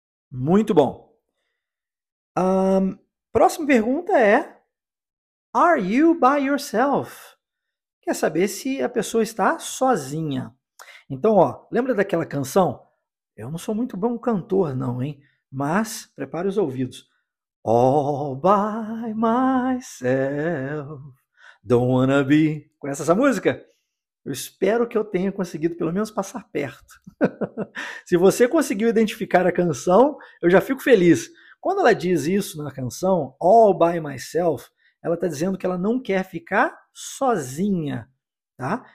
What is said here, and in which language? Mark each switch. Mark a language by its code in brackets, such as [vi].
[pt] Muito bom. Próxima pergunta é: [en] Are you by yourself? [pt] Quer saber se a pessoa está sozinha. Então, ó, lembra daquela canção? Eu não sou muito bom cantor, não, hein? Mas, prepare os ouvidos. [en] All by myself, don't wanna be. [pt] Conhece essa música? Eu espero que eu tenha conseguido, pelo menos, passar perto. Se você conseguiu identificar a canção, eu já fico feliz. Quando ela diz isso na canção, [en] all by myself, [pt] ela está dizendo que ela não quer ficar sozinha, tá?